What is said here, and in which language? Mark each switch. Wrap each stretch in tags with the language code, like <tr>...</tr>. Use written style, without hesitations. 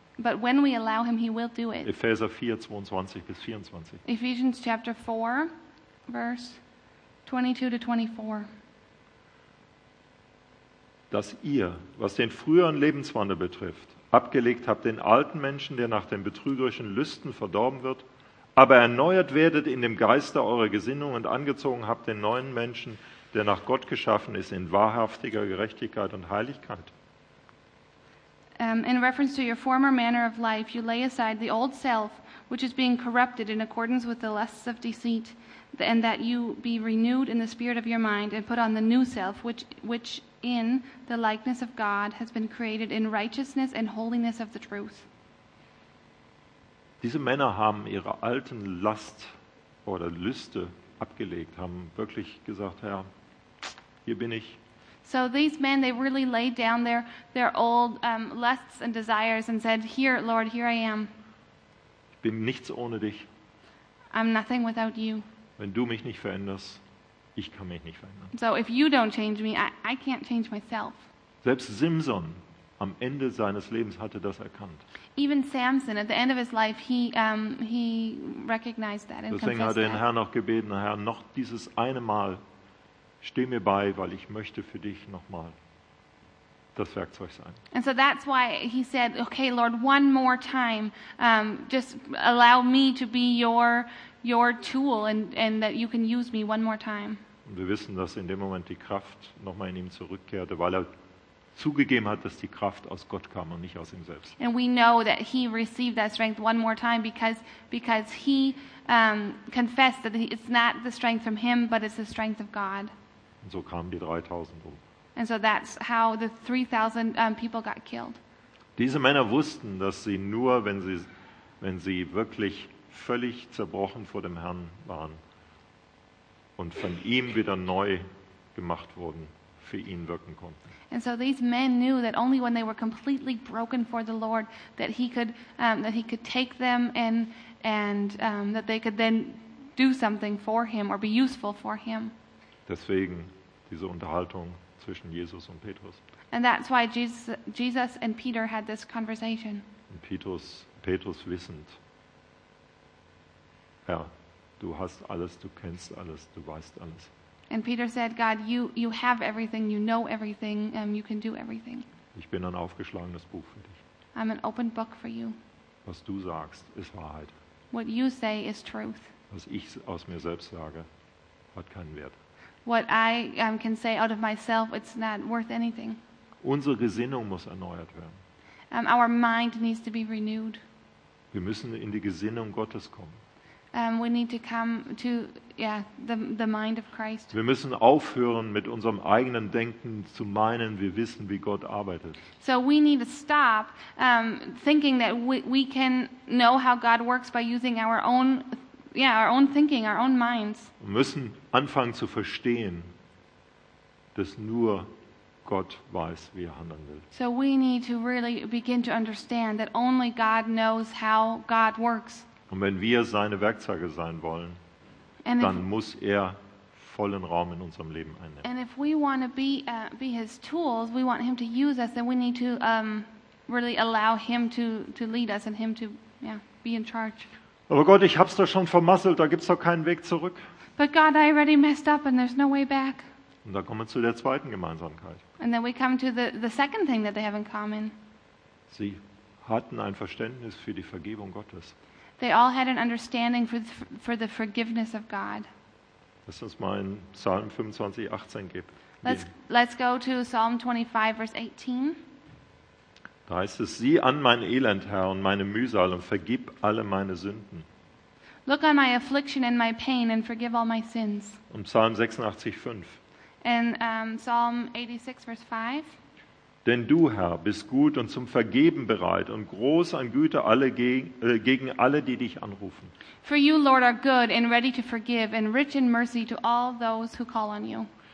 <en>But when we allow him, he will do it. Ephesians 4:22-24. Ephesians chapter 4, verse 22-24.</en> <de>Dass ihr, was den früheren Lebenswandel betrifft, abgelegt habt den alten Menschen, der nach den betrügerischen Lüsten verdorben wird, aber erneuert werdet in dem Geiste eurer Gesinnung und angezogen habt den neuen Menschen, der nach Gott geschaffen ist, in wahrhaftiger Gerechtigkeit und Heiligkeit.</de> <en>In reference to your former manner of life, you lay aside the old self, which is being corrupted in accordance with the lusts of deceit, and that you be renewed in the spirit of your mind and put on the new self, which in the likeness of God has been created in righteousness and holiness of the truth.</en> <de>Diese Männer haben ihre alten Last oder Lüste abgelegt, haben wirklich gesagt, Herr, hier bin ich.</de> <en>So these men, they really laid down their old lusts and desires and said, here, Lord, here I am.</en> <de>Ich bin nichts ohne dich.</de> <en>I'm nothing without you.</en> <de>Wenn du mich nicht veränderst, ich kann mich nicht verändern.</de> <en>So if you don't change me, I can't change myself.</en> <de>Selbst Simson am Ende seines Lebens hatte das erkannt.</de> <en>Even Samson at the end of his life he recognized that and confessed.</en> <de>Deswegen hat er den Herrn noch gebeten, Herr, noch dieses eine Mal steh mir bei, weil ich möchte für dich nochmal das Werkzeug sein.</de> <en>And so that's why he said, okay Lord, one more time, just allow me to be your tool and that you can use me one more time.</en> <de>Und wir wissen, dass in dem Moment die Kraft nochmal in ihm zurückkehrte, weil er zugegeben hat, dass die Kraft aus Gott kam und nicht aus ihm selbst.</de> <en>And we know that he received that strength one more time because he confessed that it's not the strength from him, but it's the strength of God.</en> <de>Und so kamen die 3000 um.</de> <en>And so that's how the 3000 people got killed.</en> <de>Diese Männer wussten, dass sie nur, wenn sie wirklich völlig zerbrochen vor dem Herrn waren und von ihm wieder neu gemacht wurden, für ihn wirken konnten.</de> <en>And so these men knew that only when they were completely broken for the Lord that he could take them and that they could then do something for him or be useful for him.</en> <de>Deswegen diese Unterhaltung zwischen Jesus und Petrus.</de> <en>And that's why Jesus and Peter had this conversation.</en> <de>Und Petrus wissend, Herr, du hast alles, du kennst alles, du weißt alles.</de> <en>And Peter said, God, you have everything, you know everything, you can do everything.</en> <de>Ich bin ein aufgeschlagenes Buch für dich.</de> <en>I'm an open book for you.</en> <de>Was du sagst, ist Wahrheit.</de> <en>What you say is truth.</en> <de>Was ich aus mir selbst sage, hat keinen Wert.</de> <en>What I can say out of myself, it's not worth anything.</en> <de>Unsere Gesinnung muss erneuert werden.</de> <en>Our mind needs to be renewed.</en> <de>Wir müssen in die Gesinnung Gottes kommen.</de> <en>We need to come to the mind of Christ.</en> <de>Wir müssen aufhören mit unserem eigenen Denken zu meinen, wir wissen, wie Gott arbeitet.</de> <en>So we need to stop thinking that we can know how God works by using our own thinking, our own minds.</en> <de>Wir müssen anfangen zu verstehen, dass nur Gott weiß, wie er handeln will.</de> <en>So we need to really begin to understand that only God knows how God works.</en> <de>Und wenn wir seine Werkzeuge sein wollen, dann muss er vollen Raum in unserem Leben einnehmen.</de> <en>And if we want to be his tools, we want him to use us, then we need to really allow him to lead us and him to be in charge.</en> <de>Aber Gott, ich hab's doch schon vermasselt, da gibt's doch keinen Weg zurück.</de> <en>But God, I already messed up and there's no way back.</en> <de>Und da kommen wir zu der zweiten Gemeinsamkeit.</de> <en>And then we come to the second thing that they have in common.</en> <de>Sie hatten ein Verständnis für die Vergebung Gottes.</de> <en>They all had an understanding for the forgiveness of God.</en> <de>Lass uns mal in Psalm 25, 18 gehen.</de> <en>Let's go to Psalm 25, verse 18.</en> <de>Da heißt es, sieh an mein Elend, Herr, und meine Mühsal, und vergib alle meine Sünden.</de> <en>Look on my affliction and my pain, and forgive all my sins.</en> <de>Und Psalm 86, 5.</de> <en>And Psalm 86, verse 5.</en> <de>Denn du, Herr, bist gut und zum Vergeben bereit und groß an Güte gegen alle, die dich anrufen.</de> <en>For you, Lord, are good and ready to forgive and rich in mercy to all those who call on you.</en>